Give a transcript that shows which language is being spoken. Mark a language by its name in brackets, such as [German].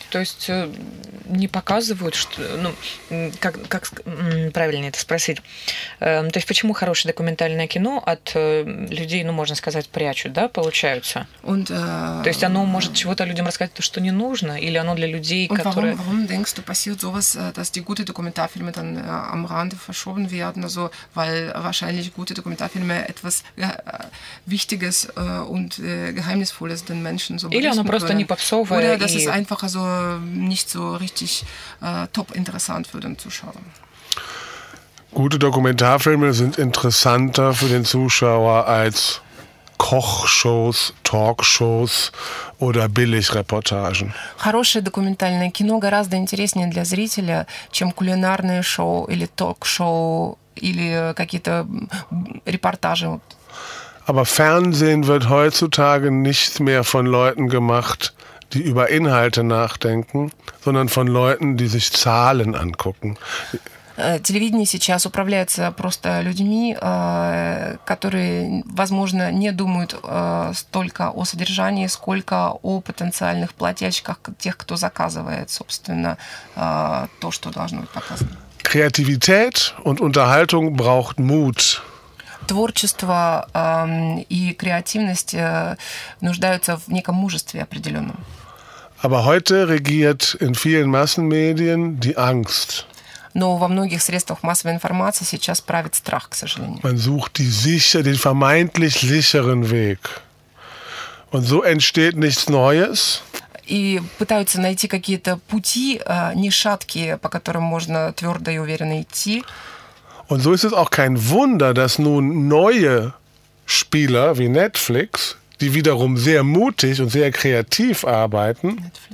[Russian] То есть не показывают, что, ну, как правильно это спросить? То есть почему хорошее документальное кино от людей, ну, можно сказать, прячут, да, получается? [German] Und, [Russian] то есть оно может чего-то людям рассказать, то, что не нужно, или оно для людей, [German] und [Russian] которые... [German] Warum denkst du, passiert sowas, dass die guten Dokumentarfilme dann am Rande verschoben werden, also, weil wahrscheinlich gute Dokumentarfilme etwas Wichtiges und Geheimnisvolles den Menschen so berichten können? [Russian] Или оно просто не попсовое? [German] Oder das ist einfach also nicht so richtig top interessant für den Zuschauer. Gute Dokumentarfilme sind interessanter für den Zuschauer als Kochshows, Talkshows oder Billigreportagen. [Russian] Хорошее документальное кино гораздо интереснее для зрителя, чем кулинарное шоу или Talkshow или какие-то Reportagen. [German] Aber Fernsehen wird heutzutage nicht mehr von Leuten gemacht, die über Inhalte nachdenken, sondern von Leuten, die sich Zahlen angucken. [Russian] Телевидение сейчас управляется просто людьми, которые, возможно, не думают столько о содержании, сколько о потенциальных плательщиках, тех, кто заказывает, собственно, то, что должно быть показано. [German] Креативität und Unterhaltung braucht Mut. [Russian] Творчество и креативность нуждаются в неком мужестве определенном. [German] Aber heute regiert in vielen Massenmedien die Angst. [Russian] Но во многих средствах массовой информации сейчас правит страх, к сожалению. [German] Man sucht die sicher, den vermeintlich sicheren Weg. Und so entsteht nichts Neues. [Russian] И пытаются найти какие-то пути, не шаткие, по которым можно твердо и уверенно идти. [German] Und so ist es auch kein Wunder, dass nun neue Spieler wie Netflix, die wiederum sehr mutig und sehr kreativ arbeiten.